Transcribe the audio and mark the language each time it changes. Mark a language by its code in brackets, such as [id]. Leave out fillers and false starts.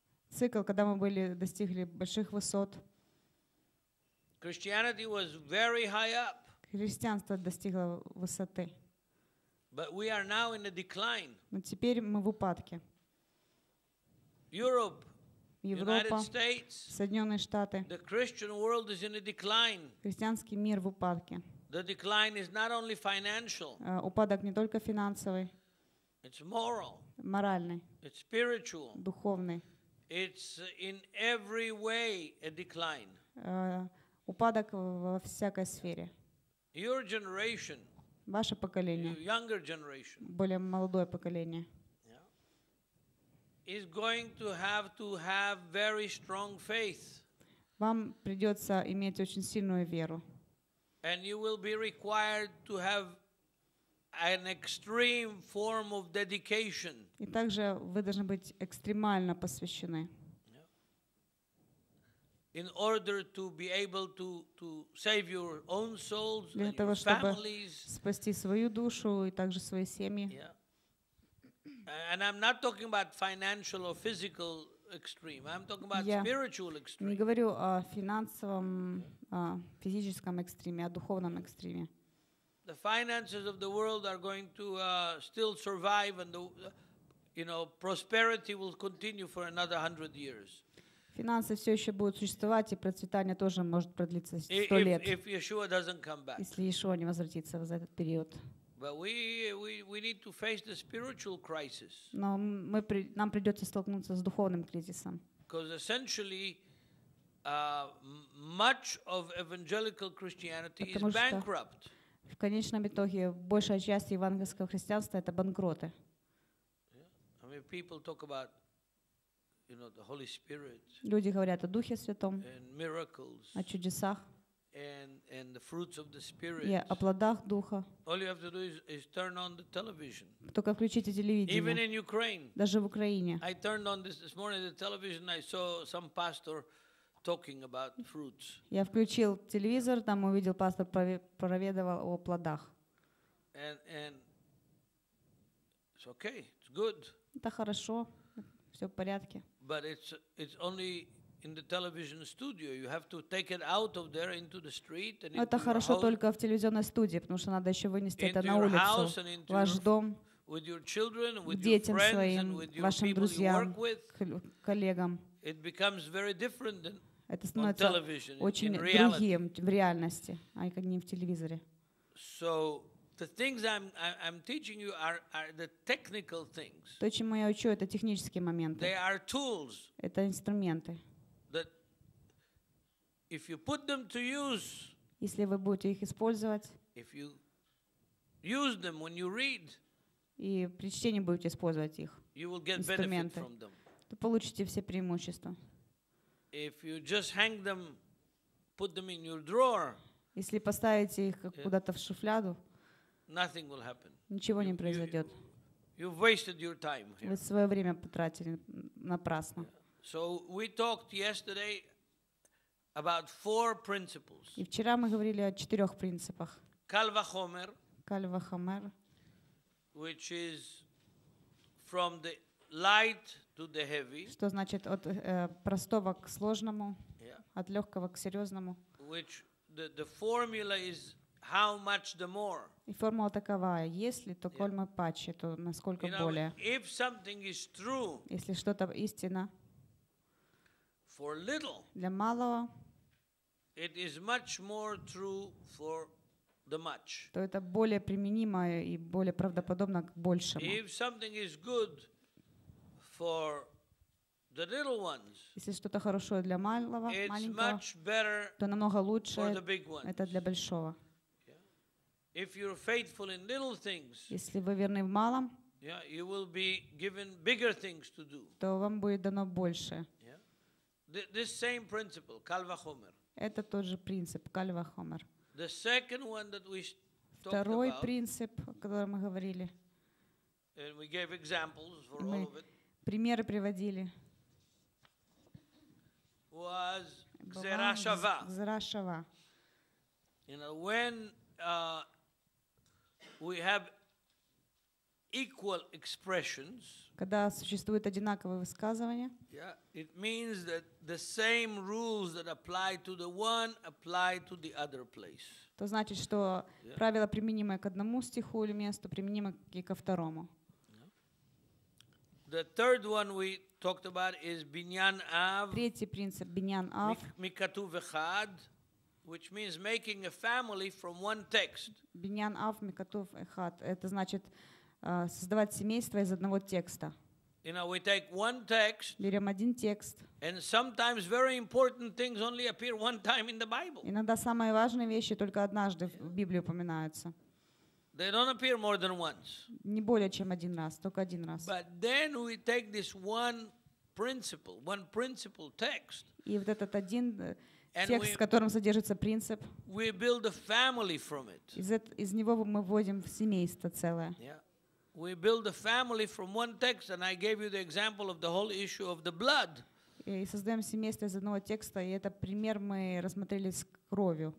[ru] Цикл, когда мы были достигли больших высот. [en] Christianity was very high up. [ru] Христианство достигло высоты. [en] But we are now in a decline. [ru] Но теперь мы в упадке. [en] Europe, [ru] Европа, [en] United States, [ru] Соединенные Штаты. [en] The Christian world is in a decline. [ru] Христианский мир в упадке. [en] The decline is not only financial. [ru] Упадок не только финансовый. [en] It's moral. [ru] Моральный. [en] It's spiritual. [ru] Духовный. [en] It's in every way a decline. [ru] Упадок во всякой сфере. [en] Your generation. [ru] Ваше поколение. [en] Your younger generation. [ru] Более молодое поколение. [en] Is going to have very strong faith. [ru] Вам придется иметь очень сильную веру. [en] And you will be required to have an extreme form of dedication. [ru] И также вы должны быть экстремально посвящены. [en] In order to be able to save your own souls and your families. [ru] Спасти свою душу и также свои семьи. [en] And I'm not talking about financial or physical extreme. I'm talking about spiritual extreme. [ru] Не говорю о финансовом, физическом экстриме, а духовном экстриме. [en] The finances of the world are going to still survive, and the, you know, prosperity will continue for another 100 years. [ru] Финансы все еще будут существовать, и процветание тоже может продлиться 100 лет. [en] If Yeshua doesn't come back. [ru] Если Иешуа не возвратится за этот период. [en] But we need to face the spiritual crisis. [ru] Но мы нам придется столкнуться с духовным кризисом. [en] Because essentially, much of evangelical Christianity is bankrupt. [ru] В конечном итоге большая часть евангельского христианства — это банкроты. [en] Yeah. I mean, people talk about, you know, the Holy Spirit. [ru] Люди говорят о Духе Святом. [en] And miracles. [ru] О чудесах. [en] And the fruits of the Spirit. [ru] Yeah, о плодах Духа. [en] All you have to do is turn on the television. [ru] Только включите телевидение. [en] Even in Ukraine. [ru] Даже в Украине. [en] I turned on this morning the television. I saw some pastor talking about fruits. [ru] Я включил телевизор, там увидел пастор проповедовал о плодах. [en] And it's okay. It's good. [ru] Это хорошо. Все в порядке. [en] But it's only in the television studio. You have to take it out of there into the street. And [ru] это хорошо только в телевизионной студии, потому что надо еще вынести это на улицу, ваш дом, [en] with your children, with [ru] детям [en] your [ru] своим, [en] and with your [ru] вашим друзьям, [en] you work with, [ru] коллегам. [en] It becomes very different than [ru] это становится очень другим в реальности, а не в телевизоре. [en] So the things I'm teaching you are the technical things. [ru] То, чему я учу, это технические моменты. [en] They are tools. [ru] Это инструменты. [en] That if you put them to use. [ru] Если вы будете их использовать. [en] If you use them when you read. [ru] И при чтении будете использовать их. [en] You will get benefit from them. [ru] То получите все преимущества. [en] If you just hang them, put them in your drawer. [ru] Если поставите их куда-то в шуфляду. [en] Nothing will happen. [ru] Ничего не произойдет. [en] You've wasted your time here. [ru] Вы свое время потратили напрасно. [en] So we talked yesterday about four principles. [ru] И вчера мы говорили о четырех принципах. [en] Кальвахомер, which is from the light to the heavy. [ru] Что значит от простого к сложному, от легкого к серьезному. [en] Which the formula is how much the more. [ru] И формула такова: если, то коль мы паче, то насколько более. [en] If something is true, [ru] если что-то истина, [en] for little, [ru] для малого, [en] it is much more true for the much. [ru] То это более применимо и более правдоподобно к большему. [en] If something is good for the little ones, [ru] если что-то хорошо для малого, маленького, [en] much better, [ru] то намного лучше [en] for the big ones. [ru] Это для большого. [en] If you're faithful in little things, [ru] если вы верны в малом, [en] yeah, you will be given bigger things to do. [ru] То вам будет дано больше. [en] Yeah. This same principle, Kalvachomer. [ru] Это тот же принцип, Kalvachomer. [en] The second one that we [ru] второй [en] talked about, [ru] принцип, о котором мы говорили. [en] And we gave examples for all of it. [ru] Примеры приводили. [en] Was Gzerashava. [ru] Gzerashava. [en] You know, when we have equal expressions. [ru] Когда существуют одинаковые высказывания. [en] Yeah, it means that the same rules that apply to the one apply to the other place. [ru] То значит, что правила, применимые к одному стиху или месту, применимы и ко второму. [en] The third one we talked about is Binyan Av. [ru] Третий принцип Binyan Av. [he] Mikatuv Echad. [en] Which means making a family from one text. [he] Binyan Av Mikatuv Echad. [ru] Это значит создавать семейство из одного текста. [en] You know, we take one text. [ru] Берем один текст. [en] And sometimes very important things only appear one time in the Bible. [ru] Иногда самые важные вещи только однажды в Библии упоминаются. [en] They don't appear more than once. [ru] Не более чем один раз, только один раз. [en] But then we take this one principle text. [ru] И вот этот один текст, в котором содержится принцип. [en] We build a family from it. [ru] Из него мы вводим в семейство целое. [en] Yeah. We build a family from one text, and I gave you the example of the whole issue of the blood. [ru] И создаем семейство из одного текста, и это пример мы рассмотрели с кровью.